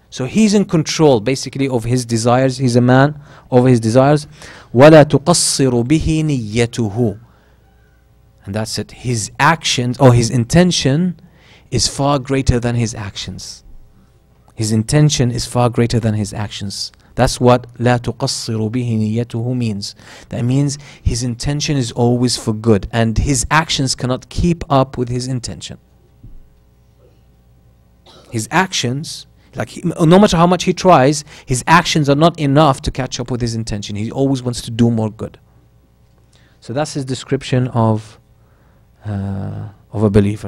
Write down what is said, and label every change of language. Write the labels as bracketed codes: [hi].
[en] So he's in control basically of his desires, he's a man over his desires. [ar] ولا تقصر به نيته, [en] and that's it, his actions or his intention is far greater than his actions. His intention is far greater than his actions. That's what [ar] لا تقصر به نيته [en] means. That means his intention is always for good, and his actions cannot keep up with his intention. His actions, like no matter how much he tries, his actions are not enough to catch up with his intention. He always wants to do more good. So that's his description of a believer.